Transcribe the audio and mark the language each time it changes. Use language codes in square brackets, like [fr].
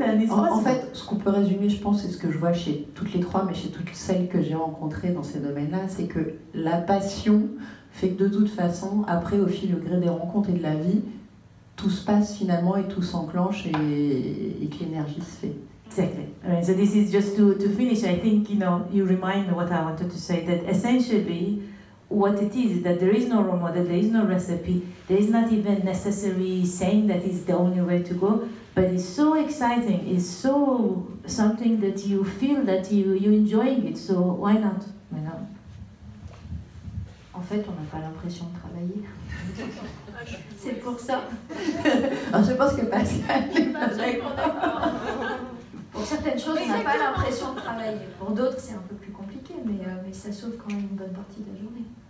[fr] En fait, ce qu'on peut résumer, je pense, c'est ce que je vois chez toutes les trois, mais chez toutes celles que j'ai rencontrées dans ces domaines-là, c'est que la passion fait que de toute façon, après, au fil au gré des rencontres et de la vie, tout se passe finalement et tout s'enclenche et que l'énergie se fait. [en] Exactly. Right. So this is just to finish. I think you know you remind what I wanted to say that essentially what it is that there is no role model, there is no recipe, there is not even necessary saying that is the only way to go. But it's so exciting. It's so something that you feel that you enjoying it. So why not? Why not? [fr] En fait, on n'a pas l'impression de travailler. C'est pour ça. Non, je pense que Pascal. Pour certaines choses, on n'a pas l'impression de travailler. Pour d'autres, c'est un peu plus compliqué, mais ça sauve quand même une bonne partie de la journée.